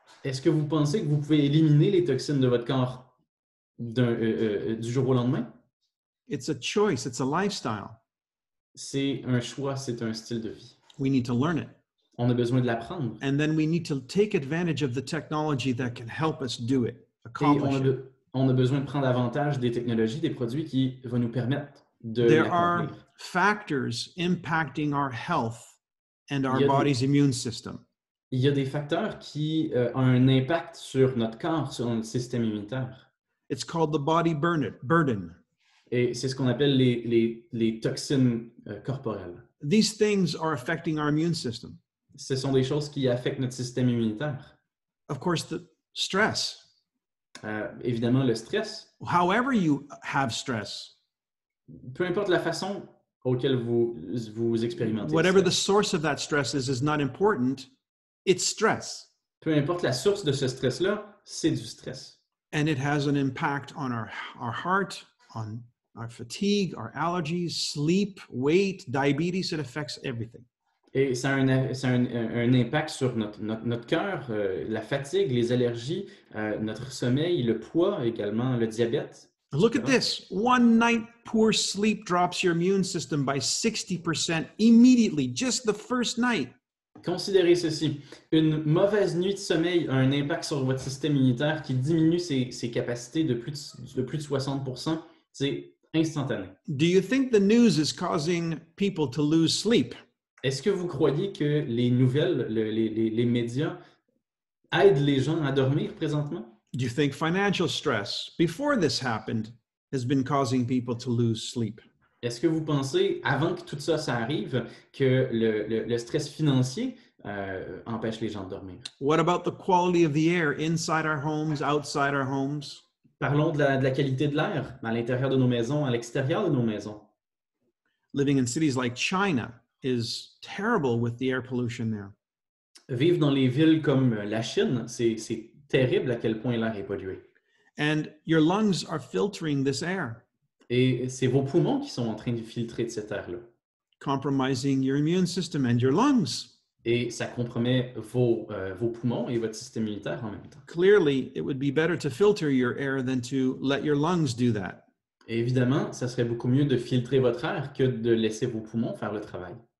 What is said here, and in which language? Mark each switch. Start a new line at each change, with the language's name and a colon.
French: Est-ce que vous pensez que vous pouvez éliminer les toxines de votre corps du jour au lendemain?
English: It's a choice, it's a lifestyle.
French: C'est un choix, c'est un style de vie.
English: We need to learn it.
French: On a besoin de l'apprendre.
English: And then we need to take advantage of the technology that can help us do it, accomplish it.
French: On a besoin de prendre avantage des technologies, des produits qui vont nous permettre de l'accomplir.
English: There are factors impacting our health and our body's immune system.
French: Il y a des facteurs qui ont un impact sur notre corps, sur notre système immunitaire.
English: It's called the body burden.
French: Et c'est ce qu'on appelle les toxines corporelles.
English: These things are affecting our immune system.
French: Ce sont des choses qui affectent notre système immunitaire.
English: Of course, the stress.
French: Évidemment, le stress.
English: However you have stress.
French: Peu importe la façon auquel vous expérimentez.
English: Whatever the source of that stress is not important, it's stress.
French: Peu importe la source de ce stress-là, c'est du stress.
English: And it has an impact on our heart. On our fatigue, our allergies, sleep, weight, diabetes, it affects everything.
French: Et ça a un impact sur notre cœur, la fatigue, les allergies, notre sommeil, le poids également, le diabète.
English: Look at this. One night poor sleep drops your immune system by 60% immediately, just the first night.
French: Considérez ceci. Une mauvaise nuit de sommeil a un impact sur votre système immunitaire qui diminue ses capacités de plus de 60%. C'est instantané.
English: Do you think the news is causing people to lose sleep?
French: Est-ce que vous croyez que les nouvelles, les médias aident les gens à dormir présentement?
English: Do you think financial stress before this happened has been causing people to lose sleep?
French: Est-ce que vous pensez, avant que tout ça arrive, que le stress financier empêche les gens de dormir?
English: What about the quality of the air inside our homes, outside our homes?
French: Parlons de la qualité de l'air à l'intérieur de nos maisons, à l'extérieur de nos maisons.
English: Living in cities like China, is terrible with the air pollution there.
French: Vivre dans les villes comme la Chine, c'est terrible à quel point l'air est pollué.
English: And your lungs are filtering this air.
French: Et c'est vos poumons qui sont en train de filtrer de cet air-là.
English: Compromising your immune system and your lungs.
French: Et ça compromet vos poumons et votre système immunitaire en même temps.
English: Clearly, it would be better to filter your air than to let your lungs do that.
French: Et évidemment, ça serait beaucoup mieux de filtrer votre air que de laisser vos poumons faire le travail.